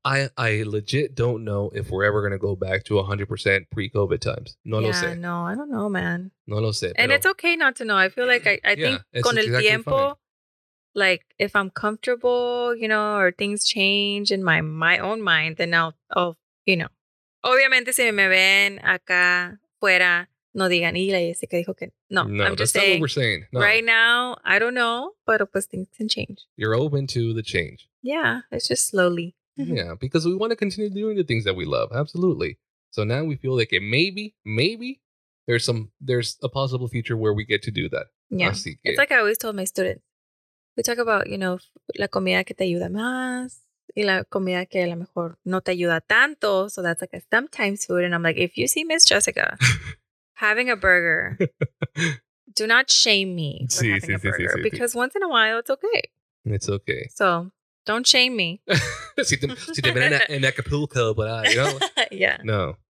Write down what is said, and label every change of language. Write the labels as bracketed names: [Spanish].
[English] I legit don't know if we're ever going to go back to 100% pre-COVID times. [Spanish] No lo sé. [English] Yeah, no, I don't know, man. [Spanish] No lo sé. [English] And it's okay not to know. I feel like I think [Spanish] con el tiempo, [English] like if I'm comfortable, you know, or things change in my own mind, then I'll you know. [Spanish] Obviamente si me ven acá fuera, no digan, y la Jessica dijo que no. [English] No, I'm just that's saying, not what we're saying. No. Right now, I don't know, but of course things can change. You're open to the change. Yeah, it's just slowly. Yeah, because we want to continue doing the things that we love. Absolutely. So now we feel like maybe there's a possible future where we get to do that. Yeah. [Spanish] Así que. [English] It's like I always told my students. We talk about, you know, [Spanish] la comida que te ayuda más. Y la comida que a lo mejor no te ayuda tanto. [English] So that's like a sometimes food. And I'm like, if you see Miss Jessica having a burger, do not shame me for sí, having sí, a burger. [Spanish] Sí, sí, sí, [English] because sí. Once in a while, it's okay. It's okay. So don't shame me. [Spanish] si te ven en Acapulco, [English] but I, you know.